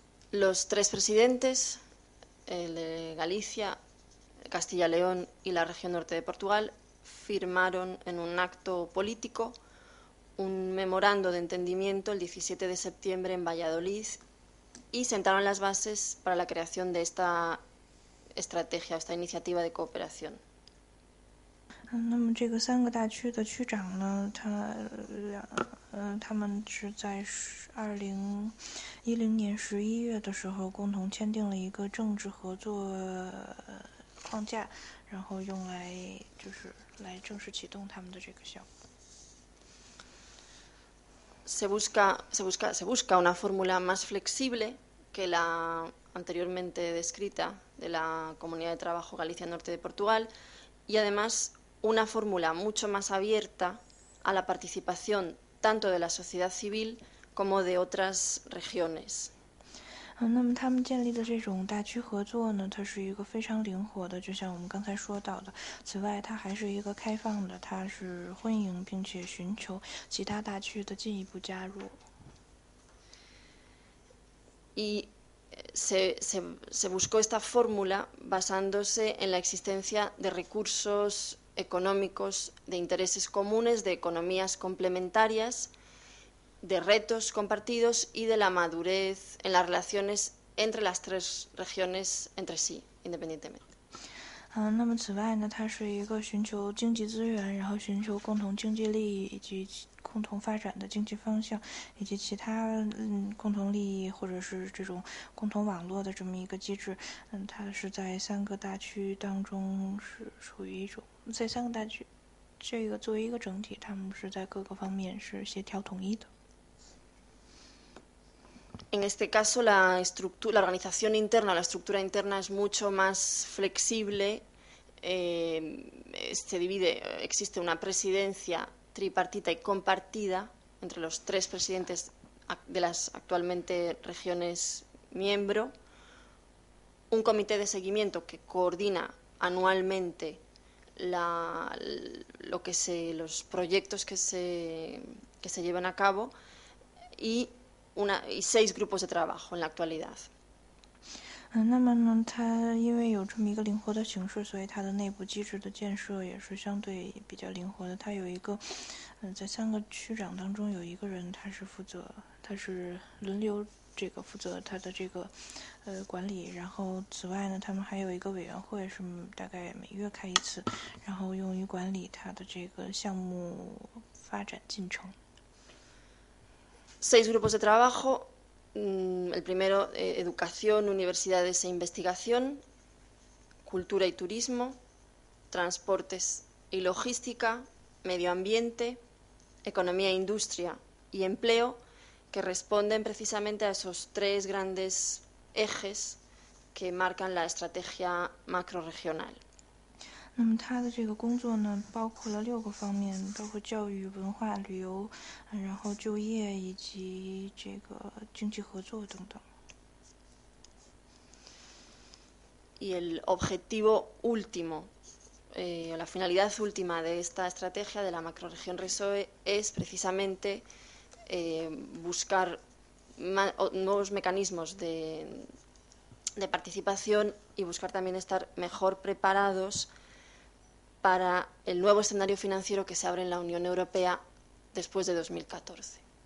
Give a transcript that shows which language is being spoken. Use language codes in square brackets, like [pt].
[es] Los tres presidentes, el de Galicia, Castilla-León y la región norte de Portugal, firmaron en un acto político un memorando de entendimiento el 17 de septiembre en Valladolid y sentaron las bases para la creación de esta estrategia o esta iniciativa de cooperación. [zh] 那么这个三个大区的区长呢，他们是在2010年11月的时候共同签订了一个政治合作框架，然后用来就是来正式启动他们的这个项目。 [es] Se busca una fórmula más flexible que la anteriormente descrita de la Comunidad de Trabajo Galicia Norte de Portugal y además una fórmula mucho más abierta a la participación tanto de la sociedad civil como de otras regiones. [zh] 那么他们建立的这种大区合作呢，它是一个非常灵活的，就像我们刚才说到的。此外，它还是一个开放的，它是欢迎并且寻求其他大区的进一步加入。 [es] Y se buscó esta fórmula basándose en la existencia de recursos económicos, de intereses comunes, de economías complementarias, de retos compartidos y de la madurez en las relaciones entre las tres regiones entre sí, independientemente. [zh] 那么此外呢，它是一个寻求经济资源，然后寻求共同经济利益以及共同发展的经济方向，以及其他共同利益或者是这种共同网络的这么一个机制。它是在三个大区当中是属于一种，在三个大区这个作为一个整体，他们是在各个方面是协调统一的。 [es] En este caso, la estructura, la organización interna, la estructura interna es mucho más flexible. Se divide, existe una presidencia tripartita y compartida entre los tres presidentes de las actualmente regiones miembro, un comité de seguimiento que coordina anualmente los proyectos que se llevan a cabo y seis grupos de trabajo en la actualidad. [zh] 那么呢，它因为有这么一个灵活的形式，所以它的内部机制的建设也是相对比较灵活的。它有一个，在三个区长当中有一个人，他是负责，他是轮流这个负责他的这个管理。然后此外呢，他们还有一个委员会，是大概每月开一次，然后用于管理他的这个项目发展进程。 [es] Seis grupos de trabajo. El primero, educación, universidades e investigación, cultura y turismo, transportes y logística, medio ambiente, economía, industria y empleo, que responden precisamente a esos tres grandes ejes que marcan la estrategia macrorregional. [zh] 那么他的这个工作呢，包括了六个方面，包括教育、文化、旅游，然后就业以及这个经济合作等等。 [es] Y el objetivo último, la finalidad última de esta estrategia de la macrorregión PSOE es precisamente buscar nuevos mecanismos de participación y buscar también estar mejor preparados para el nuevo escenario financiero que se abre en la Unión Europea después de 2014.